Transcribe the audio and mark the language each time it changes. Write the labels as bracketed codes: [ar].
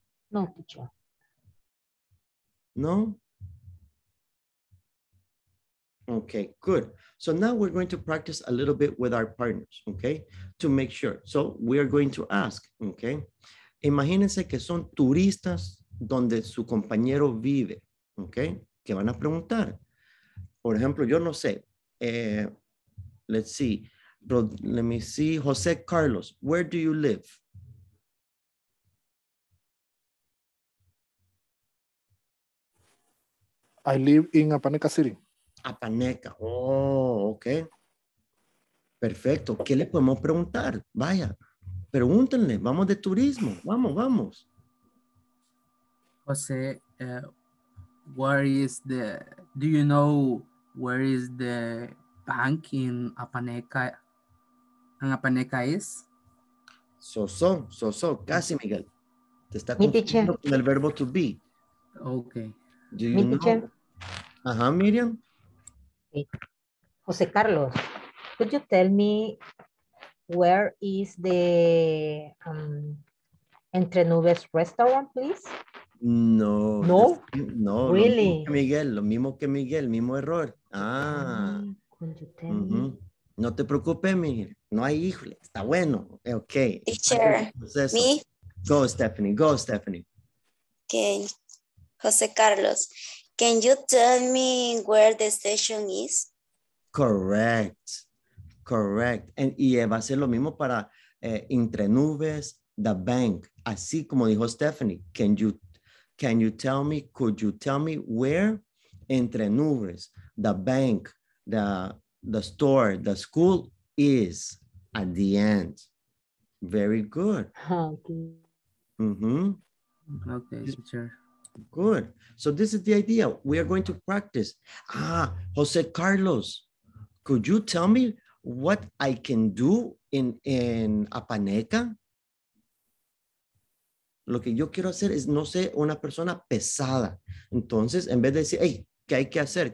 [en] No, teacher. No? Okay, good. So now we're going to practice a little bit with our partners, okay? To make sure. So we are going to ask, okay? [es] Imagínense que son turistas donde su compañero vive, okay? ¿Qué van a preguntar? Por ejemplo, yo no sé. [en] Let's see. Let me see, Jose Carlos, where do you live? I live in Apaneca City. [es] Apaneca, oh, okay. Perfecto, ¿qué le podemos preguntar? Vaya, pregúntenle, vamos de turismo, vamos, vamos. [en] Jose, do you know where is the bank in Apaneca? Apaneca is? [es] So, casi, Miguel. Te está confundiendo con el verbo to be. [en] Okay. Do you know? Ajá, Miriam. José Carlos, could you tell me where is the Entre Nubes restaurant, please? No. No? No. Really? [es] No, Miguel, lo mismo que Miguel, mismo error. Ah. [en] Could you tell me? [es] No te preocupes, Miguel. No hay híjole. Está bueno. Okay. [en] Teacher. Me. Go, Stephanie. Go, Stephanie. Okay. Jose Carlos, can you tell me where the station is? Correct. Correct. [es] Y va a ser lo mismo para Entre Nubes, [en] the bank. [es] Así como dijo Stephanie. [en] Can you tell me? Could you tell me where Entre Nubes, the bank, the store, the school is at the end. Very good. Okay. Mm-hmm. Okay, teacher. Good. So this is the idea. We are going to practice. Ah, Jose Carlos, could you tell me what I can do in Apaneca? [es] Lo que yo quiero hacer es, no sé, una persona pesada. Entonces, en vez de decir, hey, ¿qué hay que hacer?